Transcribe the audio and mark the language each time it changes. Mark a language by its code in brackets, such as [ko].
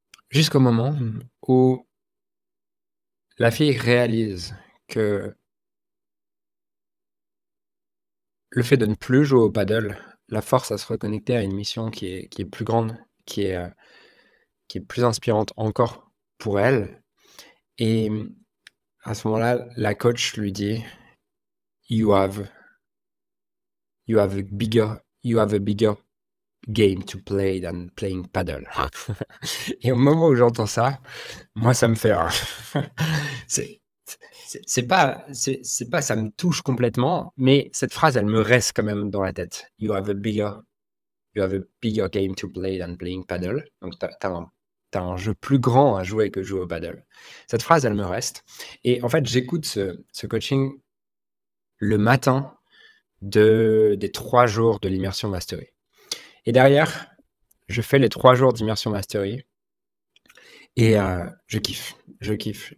[fr] Jusqu'au moment où la fille réalise que le fait de ne plus jouer au paddle la force à se reconnecter à une mission qui est plus grande, qui est plus inspirante encore pour elle. Et à ce moment-là, la coach lui dit, [en] You have a bigger game to play than playing paddle. [fr] Et au moment où j'entends ça, moi, ça me fait un. C'est pas ça me touche complètement, mais cette phrase, elle me reste quand même dans la tête. [en] You have a bigger game to play than playing paddle. [fr] Donc, t'as un jeu plus grand à jouer que jouer au paddle. Cette phrase, elle me reste. Et en fait, j'écoute ce coaching le matin des 3 jours de l'immersion mastery. Et derrière, je fais les 3 jours d'immersion mastery et je kiffe, je kiffe.